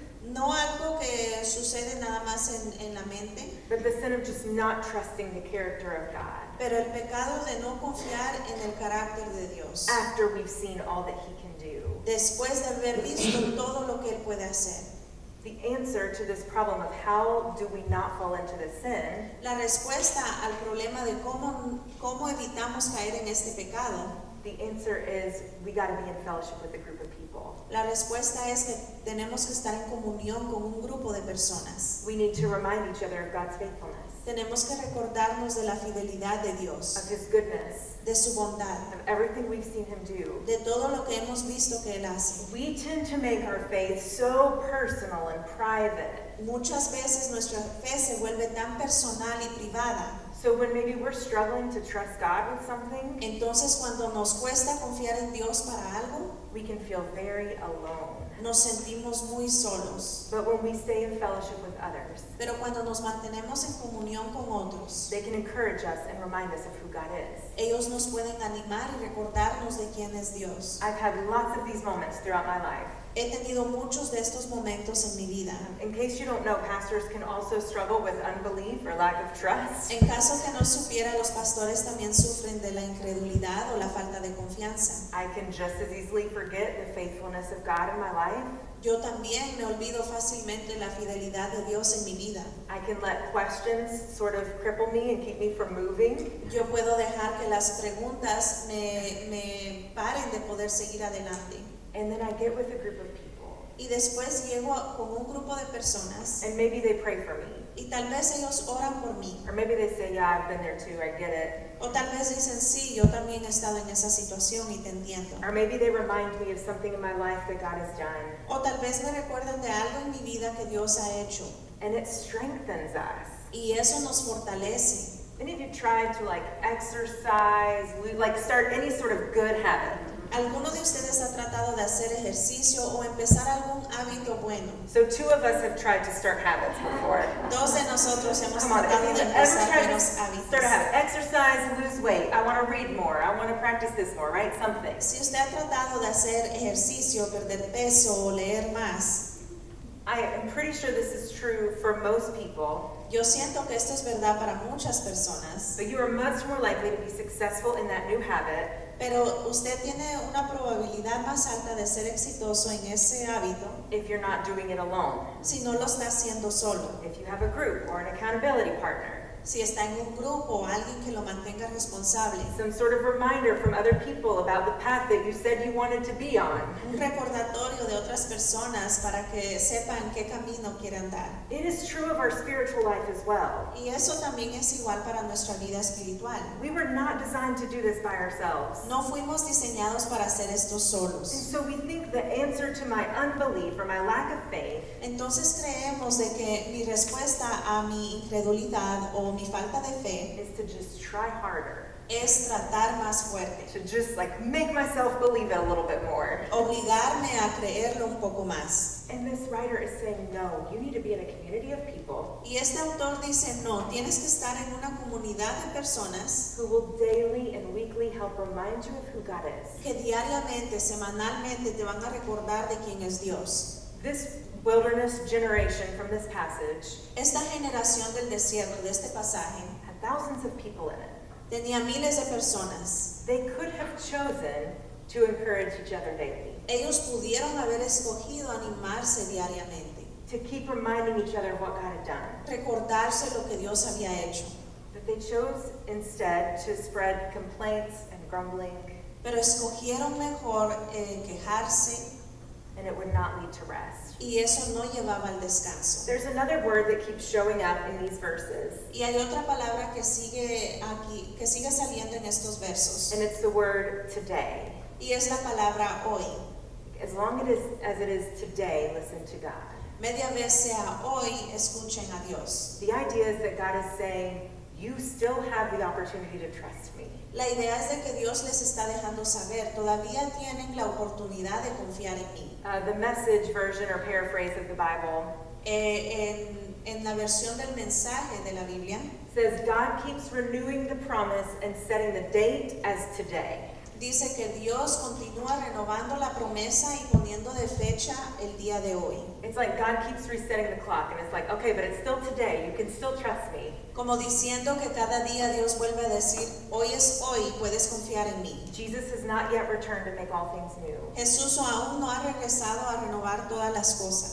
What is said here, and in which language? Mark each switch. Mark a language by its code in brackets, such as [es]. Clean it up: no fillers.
[es] No algo que sucede nada más en la mente. [en] But the sin of just not trusting the character of God. [es] Pero el pecado de no confiar en el carácter de Dios. [en] After we've seen all that he can do. [es] Después de haber visto todo lo que él puede hacer. [en] The answer to this problem of how do we not fall into this sin. [es] La respuesta al problema de cómo evitamos caer en este pecado. [en] The answer is we got to be in fellowship with a group of people. [es] La respuesta es que tenemos que estar en comunión con un grupo de personas. [en] We need to remind each other of God's faithfulness. [es] Tenemos que recordarnos de la fidelidad de Dios. [en] Of his goodness. [es] De su bondad. [en] Of everything we've seen him do. [es] De todo lo que hemos visto que él hace. [en] We tend to make our faith so personal and private. [es] Muchas veces nuestra fe se vuelve tan personal y privada. [en] So when maybe we're struggling to trust God with something, [es] entonces cuando nos cuesta confiar en Dios para algo, [en] we can feel very alone. [es] Nos sentimos muy solos. [en] But when we stay in fellowship with others, [es] pero cuando nos mantenemos en comunión con otros, [en] they can encourage us and remind us of who God is. [es] Ellos nos pueden animar y recordarnos de quién es Dios. [en] I've had lots of these moments throughout my life. [es] He tenido muchos de estos momentos en mi vida. [en] In case you don't know, pastors can also struggle with unbelief or lack of trust. [es] En caso que no supiera, los pastores también sufren de la incredulidad o la falta de confianza. [en] I can just as easily forget the faithfulness of God in my life. [es] Yo también me olvido fácilmente la fidelidad de Dios en mi vida. [en] I can let questions sort of cripple me and keep me from moving. [es] Yo puedo dejar que las preguntas me paren de poder seguir adelante. [en] And then I get with a group of people. [es] Y después llego con un grupo de personas. [en] And maybe they pray for me. [es] Y tal vez ellos oran por mí. [en] Or maybe they say, yeah, I've been there too, I get it. [es] O tal vez dicen, sí, yo también he estado en esa situación y te entiendo. [en] Or maybe they remind me of something in my life that God has done. [es] O tal vez me recuerdan de algo en mi vida que Dios ha hecho. [en] And it strengthens us. [es] Y eso nos fortalece. [en] Many of you try to like exercise, like start any sort of good habit. [es] ¿Alguno de ustedes ha tratado de hacer ejercicio o empezar algún hábito bueno? [en] So two of us have tried to start habits before. [es] Dos de nosotros hemos tratado de empezar buenos hábitos. [en] Start a habit. Exercise, lose weight. I want to read more. I want to practice this more, right? Something. [es] Si usted ha tratado de hacer ejercicio, perder peso o leer más. [en] I am pretty sure this is true for most people. [es] Yo siento que esto es verdad para muchas personas. [en] But you are much more likely to be successful in that new habit. [es] Pero usted tiene una probabilidad más alta de ser exitoso en ese hábito. [en] If you're not doing it alone. [es] Si no lo está haciendo solo. [en] If you have a group or an accountability partner. [es] Si está en un grupo o alguien que lo mantenga responsable. [en] Some sort of reminder from other people about the path that you said you wanted to be on. [es] Un recordatorio de otras personas para que sepan qué camino quiere andar. [en] It is true of our spiritual life as well. [es] Y eso también es igual para nuestra vida espiritual. [en] We were not designed to do this by ourselves. [es] No fuimos diseñados para hacer esto solos. [en] And so we think the answer to my unbelief or my lack of faith. [es] Entonces creemos de que mi respuesta a mi incredulidad o mi falta de fe [en] is to just try harder. [es] Es tratar más fuerte. [en] To just like make myself believe it a little bit more. [es] Obligarme a creerlo un poco más. [en] And this writer is saying, no, you need to be in a community of people. [es] Y este autor dice, no, tienes que estar en una comunidad de personas [en] who will daily and weekly help remind you of who God is. [es] Que diariamente, semanalmente te van a recordar de quién es Dios. [en] This wilderness generation from this passage. [es] Esta generación del desierto de este pasaje [en] had thousands of people in it. [es] Tenía miles de personas. [en] They could have chosen to encourage each other daily. [es] Ellos pudieron haber escogido animarse diariamente. [en] To keep reminding each other what God had done. [es] Recordarse lo que Dios había hecho. [en] But they chose instead to spread complaints and grumbling. [es] Pero escogieron mejor quejarse. [en] And it would not lead to rest. [es] Y eso no llevaba al descanso. [en] There's another word that keeps showing up in these verses. [es] Y hay otra palabra que sigue aquí, que sigue saliendo en estos versos. [en] And it's the word today. [es] Y es la palabra hoy. [en] As long as it is today, listen to God. [es] Media vez sea hoy, escuchen a Dios. [en] The idea is that God is saying, you still have the opportunity to trust me. [es] La idea es de que Dios les está dejando saber, todavía tienen la oportunidad de confiar en mí. [en] The message version or paraphrase of the Bible. [es] En la versión del mensaje de la Biblia. [en] Says God keeps renewing the promise and setting the date as today. [es] dice que Dios continúa renovando la promesa y poniendo de fecha el día de hoy. [en] It's like God keeps resetting the clock and it's like, okay, but it's still today, you can still trust me. [es] Como diciendo que cada día Dios vuelve a decir, hoy es hoy, puedes confiar en mí. [en] Jesus has not yet returned to make all things new. [es] Jesús aún no ha regresado a renovar todas las cosas.